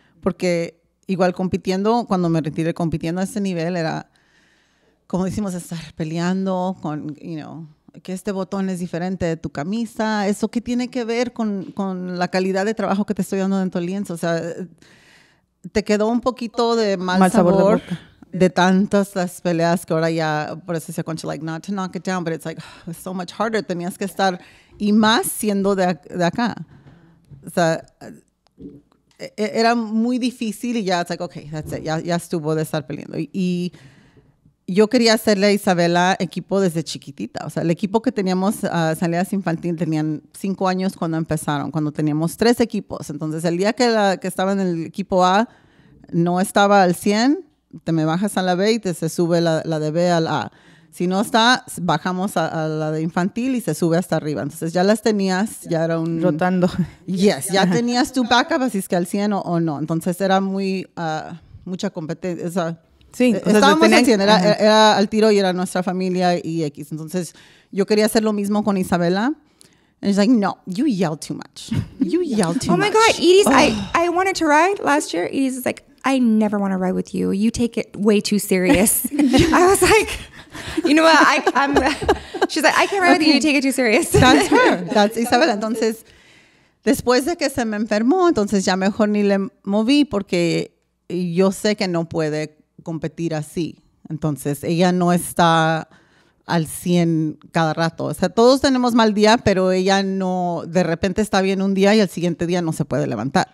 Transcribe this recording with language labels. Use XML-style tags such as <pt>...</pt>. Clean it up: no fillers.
<es>Porque igual compitiendo, cuando me retiré compitiendo a ese nivel, era, como decimos, estar peleando con,</es> <en>you know,</en> <es>que este botón es diferente de tu camisa, eso que tiene que ver con la calidad de trabajo que te estoy dando dentro del lienzo. O sea, te quedó un poquito de mal sabor de tantas las peleas que ahora ya, por eso decía Concha,</es> <en>like, not to knock it down, but it's like, oh, it's so much harder.</en> <es>Tenías que estar, y más siendo de acá. O sea, era muy difícil y ya,</es> <en>it's like, okay, that's it.</en> <es>Ya estuvo de estar peleando. Y yo quería hacerle a Isabela equipo desde chiquitita. O sea, el equipo que teníamos salidas infantil tenían 5 años cuando empezaron, cuando teníamos 3 equipos. Entonces, el día que estaba en el equipo A, no estaba al 100, te me bajas a la B y te se sube la de B al A. Si no está, bajamos a la de infantil y se sube hasta arriba. Entonces, ya las tenías, ya era un... Rotando. Yes, ya tenías tu backup, así es que al 100 o no. Entonces, era muy... mucha competencia, o sea... Sí, estábamos en 100, era al tiro y era nuestra familia y X. Entonces, yo quería hacer lo mismo con Isabela.</es> <en>And she's like, no, you yell too much. You yell too much. Oh my God, Edie's, I wanted to ride last year. Edie's is like, I never want to ride with you. You take it way too serious. I was like, you know what? She's like, I can't ride with you. You take it too serious. That's her. That's Isabela.</en> <es>Entonces, después de que se me enfermó, entonces ya mejor ni le moví porque yo sé que no puede competir así. Entonces, ella no está al 100 cada rato. O sea, todos tenemos mal día, pero ella no, de repente está bien un día y al siguiente día no se puede levantar.</es>